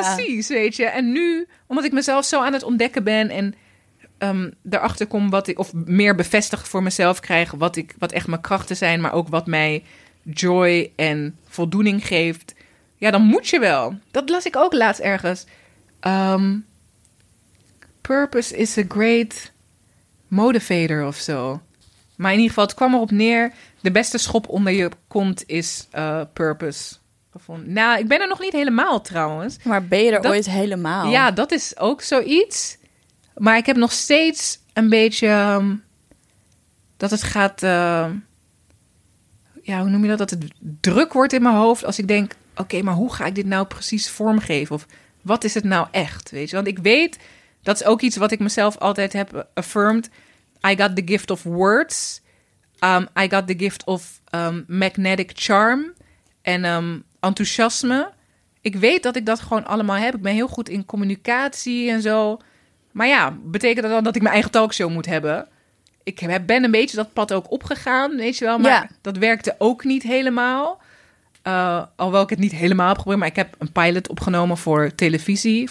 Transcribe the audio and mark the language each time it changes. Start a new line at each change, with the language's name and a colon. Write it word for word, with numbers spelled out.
Dutch: precies, weet je. En nu, omdat ik mezelf zo aan het ontdekken ben en um, daarachter kom wat ik, of meer bevestigd voor mezelf krijg, wat ik, wat echt mijn krachten zijn, maar ook wat mij joy en voldoening geeft. Ja, dan moet je wel. Dat las ik ook laatst ergens.
English: Um, purpose is a great motivator
Dutch: of zo. Maar in ieder geval, het kwam erop neer. De beste schop onder je kont is uh, purpose. Nou, ik ben er nog niet helemaal trouwens. Maar ben je er dat, ooit helemaal? Ja, dat is ook zoiets. Maar ik heb nog steeds een beetje... Um, dat het gaat... Uh, ja, hoe noem je dat? Dat het druk wordt in mijn hoofd als ik denk... Oké, okay, maar hoe ga ik dit nou precies vormgeven? Of wat is het nou echt? Weet je? Want ik weet... Dat is ook iets wat ik mezelf altijd heb affirmed...
English: I got the gift of words. Um, I got the gift of um, magnetic charm.
Dutch: En um, enthousiasme. Ik weet dat ik dat gewoon allemaal heb. Ik ben heel goed in communicatie en zo. Maar ja, betekent dat dan dat ik mijn eigen talkshow moet hebben? Ik heb, ben een beetje dat pad ook opgegaan, weet je wel. Maar ja. dat werkte ook niet helemaal. Uh, alhoewel ik het niet helemaal heb geprobeerd. Maar ik heb een pilot opgenomen voor televisie.